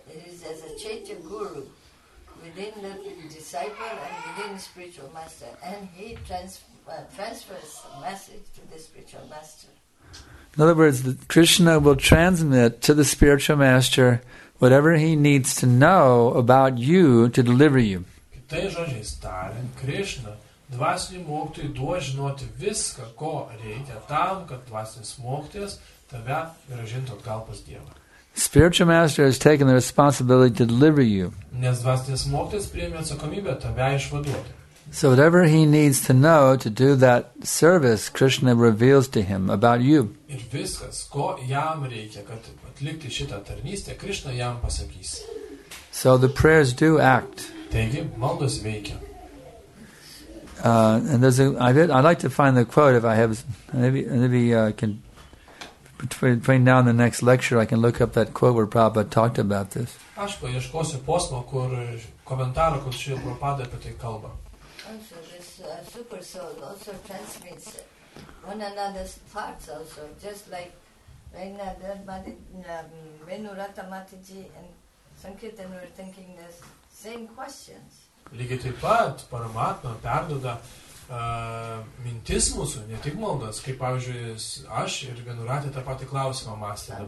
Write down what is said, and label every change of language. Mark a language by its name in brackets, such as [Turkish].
[English] It is as a Chaitya Guru within the disciple and within the spiritual master, and he transfers a message to the spiritual master. In other words, Krishna will transmit to the spiritual master whatever he needs to know about you to deliver you. [Lithuanian] Kitais žodžiais tariant, Krishna dvasiniu mokytoju duos žinoti viską, ko reikia tam, kad dvasinis mokytojas tave grąžintų atgal pas Dievą. [English] Spiritual master has taken the responsibility to deliver you. [Lithuanian] Nes dvasinis mokytojas priėmė atsakomybę tave išvaduoti. [English] So whatever he needs to know to do that service, Krishna reveals to him about you. [Lithuanian] Ir viskas, ko jam reikia, kad atlikti šitą tarnystę, Krishna jam pasakys. [English] So the prayers do act. [Lithuanian] Taigi, maldos veikia. [English] And there's I'd like to find the quote if I have, maybe can, between now and the next lecture, I can look up that quote where Prabhupada talked about this. [Lithuanian] Aš paieškosiu posmą, kur komentarą, kur šioje Prabhupada apie tai kalba. [English] Also, this super soul also transmits one another's thoughts also, just like Venurata Matiji and Sankirtan were thinking the same questions. [Lithuanian] Lygiai taip pat Paramatma perduoda mintis mūsų, ne tik maldas, kaip pavyzdžiui, aš ir Venurata tą patį klausimą mąstė.